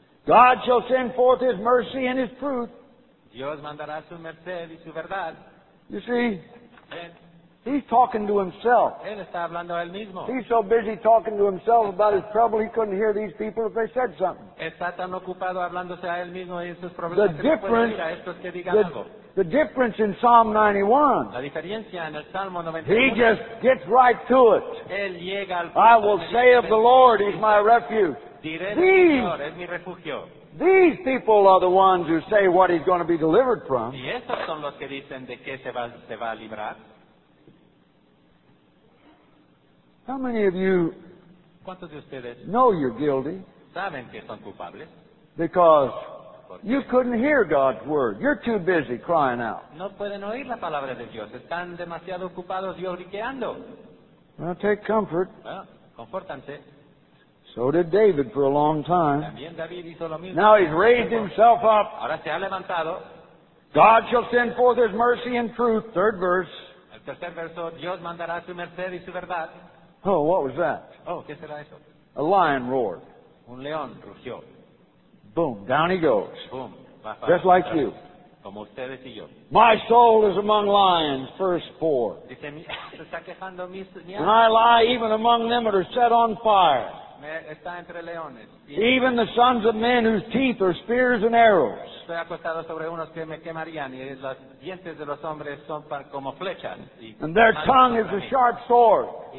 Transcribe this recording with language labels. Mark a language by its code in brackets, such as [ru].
[en] God shall send forth his mercy and his truth. [es] Dios mandará su merced y su verdad. [en] You see, he's talking to himself. [es] Él está hablando a él mismo. [en] He's so busy talking to himself about his trouble, he couldn't hear these people if they said something. [es] Está tan ocupado hablándose a él mismo y sus problemas. [en] The difference, the difference in Psalm 91. [es] La diferencia en el Salmo 91. [en] He just gets right to it. [es] Él llega al punto. [en] I will say of the Lord, he's my refuge. [es] Diré, Señor, es mi refugio. [en] These people are the ones who say what he's going to be delivered from. [es] Y estos son los que dicen de qué se va a librar. [en] How many of you know you're guilty? [es] Saben que son culpables. [en] Because you couldn't hear God's word. You're too busy crying out. [es] No pueden oír la palabra de Dios. Están demasiado ocupados lloriqueando. [en] Well, take comfort. [es] Bueno, confórtanse. [en] So did David for a long time. [es] También David hizo lo mismo. [en] Now he's raised himself up. [es] Ahora se ha levantado. [en] God shall send forth his mercy and truth. Third verse. [es] El tercer verso, Dios mandará su merced y su verdad. [en] Oh, what was that? [es] Oh, ¿qué será eso? [en] A lion roared. [es] Un león rugió. [en] Boom, down he goes. Boom, just like you. [es] Como ustedes y yo. [en] My soul is among lions, verse 4. [es] Dice, se está quejando mi alma. [en] And I lie even among them that are set on fire. [es] Me está entre leones. [en] Even the sons of men whose teeth are spears and arrows. [es] Estoy acostado sobre unos que me quemarían y los dientes de los hombres son como flechas. [en] And their tongue is a sharp sword.